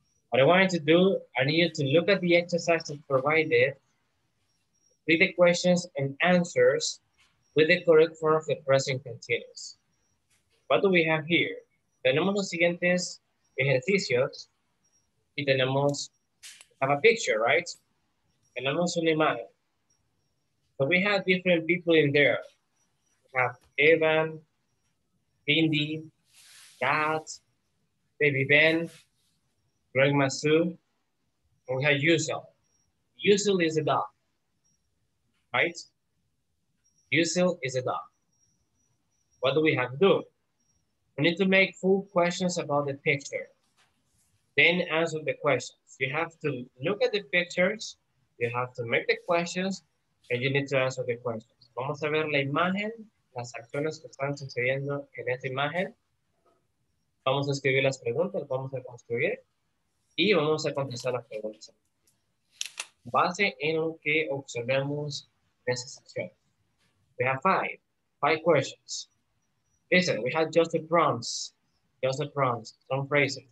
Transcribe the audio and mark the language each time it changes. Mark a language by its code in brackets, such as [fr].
[en] What I wanted to do, I needed to look at the exercises provided, read the questions and answers with the correct form of the present continuous. What do we have here? [es] Tenemos los siguientes ejercicios y tenemos, [en] have a picture, right? So we have different people in there. We have Evan, Bindi, Dad, Baby Ben, Greg Masu, and we have Yusel. Yusel is a dog, right? Yusel is a dog. What do we have to do? We need to make full questions about the picture, then answer the questions. You have to look at the pictures. You have to make the questions and you need to answer the questions. [es] Vamos a ver la imagen, las acciones que están sucediendo en esta imagen. Vamos a escribir las preguntas, vamos a construir y vamos a contestar las preguntas. Base en lo que observemos en esa sección. [en] We have five questions. Listen, we have just the prompts, some phrases.